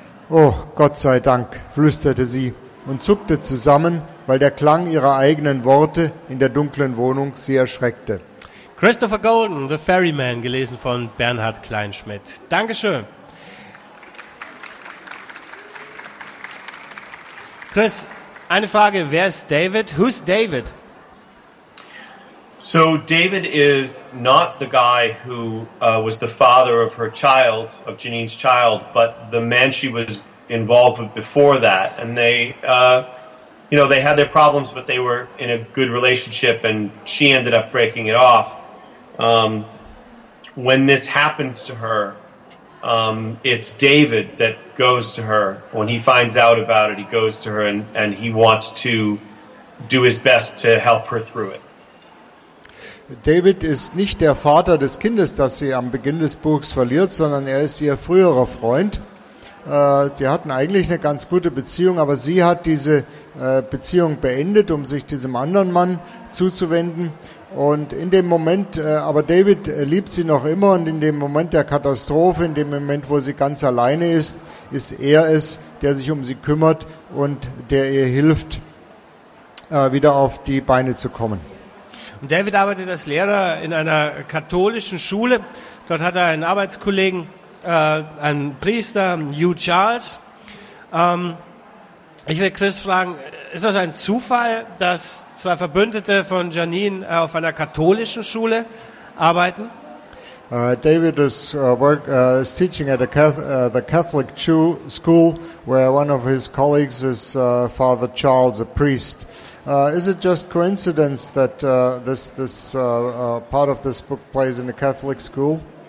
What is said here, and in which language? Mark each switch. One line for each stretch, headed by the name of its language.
German: »Oh, Gott sei Dank«, flüsterte sie und zuckte zusammen, weil der Klang ihrer eigenen Worte in der dunklen Wohnung sie erschreckte. Christopher Golden, The Ferryman, gelesen von Bernhard Kleinschmidt. Dankeschön. Chris, eine Frage, wer ist David?
English: Who's David? So David is not the guy who was the father of her child, of Janine's child, but the man she was involved with before that. And they, you know, they had their problems, but they were in a good relationship, and she ended up breaking it off. When this happens to her, it's David that goes to her. When he finds out about it, he goes to her, and he wants to do his best to help her through it.
German: David ist nicht der Vater des Kindes, das sie am Beginn des Buchs verliert, sondern er ist ihr früherer Freund. Die hatten eigentlich eine ganz gute Beziehung, aber sie hat diese Beziehung beendet, um sich diesem anderen Mann zuzuwenden. Und in dem Moment, aber David liebt sie noch immer, und in dem Moment der Katastrophe, in dem Moment, wo sie ganz alleine ist, ist er es, der sich um sie kümmert und der ihr hilft, wieder auf die Beine zu kommen. Und David arbeitet als Lehrer in einer katholischen Schule. Dort hat er einen Arbeitskollegen, einen Priester, Hugh Charles. Ich will Chris fragen, ist das ein Zufall, dass zwei Verbündete von Janine auf einer katholischen Schule arbeiten?
English: David is is teaching at the Catholic school, where one of his colleagues is Father Charles, a priest. Is it just coincidence that this part of this book plays in a Catholic school?